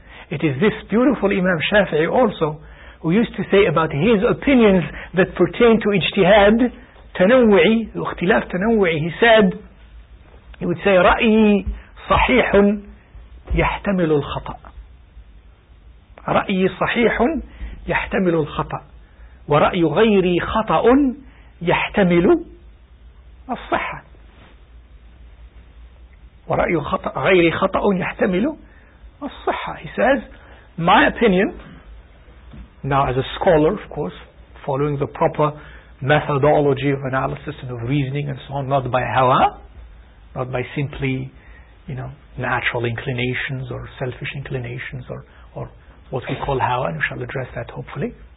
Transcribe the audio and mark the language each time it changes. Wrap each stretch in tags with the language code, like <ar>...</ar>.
<en>It is this beautiful Imam Shafi'i also who used to say about his opinions that pertain to ijtihad,</en> <ar>تنوعي, اختلاف تنوعي.</ar> <en>He said, he would say,</en> <ar>رأيي صحيح يحتمل الخطأ. رأيي صحيح يحتمل الخطأ. ورأي غيري خطأ يحتمل الصحة. ورأي غيري خطأ يحتمل الصحة.</ar> <en>He says, my opinion, now as a scholar, of course, following the proper methodology of analysis and of reasoning and so on, not by hawa, not by simply, you know, natural inclinations or selfish inclinations or what we call hawa, and we shall address that hopefully.</en>